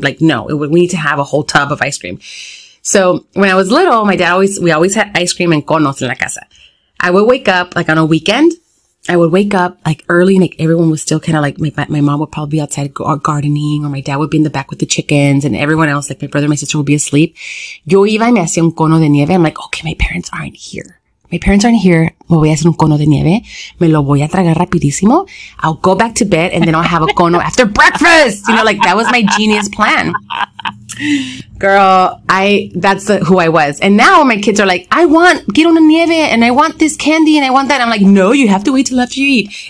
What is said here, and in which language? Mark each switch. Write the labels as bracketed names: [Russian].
[English] Like, no, we need to have a whole tub of ice cream. So when I was little, my dad always had ice cream and [Spanish] conos en la casa. [English] I would wake up like on a weekend. I would wake up like early and like everyone was still kind of like, my mom would probably be outside gardening, or my dad would be in the back with the chickens and everyone else, like my brother, my sister would be asleep. [Spanish] Yo iba y me hacía un cono de nieve. [English] I'm like, okay, my parents aren't here. [Spanish] Me voy a hacer un cono de nieve. Me lo voy a tragar rapidísimo. [English] I'll go back to bed and then I'll have a cono after breakfast. You know, like that was my genius plan. Girl, that's who I was. And now my kids are like, I want [Spanish] quiero una nieve [English] and I want this candy and I want that. I'm like, no, you have to wait till after you eat.